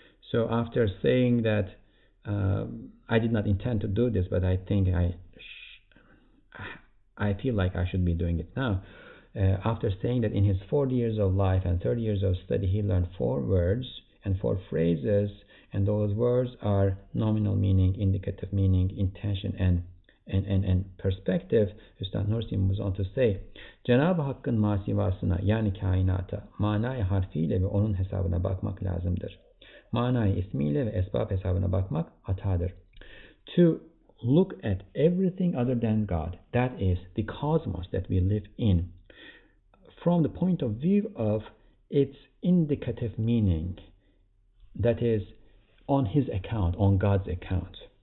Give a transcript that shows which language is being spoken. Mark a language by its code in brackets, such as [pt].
[en] So after saying that, I did not intend to do this, but I think I feel like I should be doing it now. After saying that in his 40 years of life and 30 years of study, he learned 4 words and 4 phrases, and those words are nominal meaning, indicative meaning, intention, and perspective. [tr] Üstad Nursi [en] moves on to say, [tr] Cenab-ı Hakk'ın masivasına, yani kainata, manayı harfiyle ve onun hesabına bakmak lazımdır. Manayı ismiyle ve esbab hesabına bakmak hatadır. [en] To look at everything other than God, that is the cosmos that we live in, from the point of view of its indicative meaning, that is on his account, on God's account.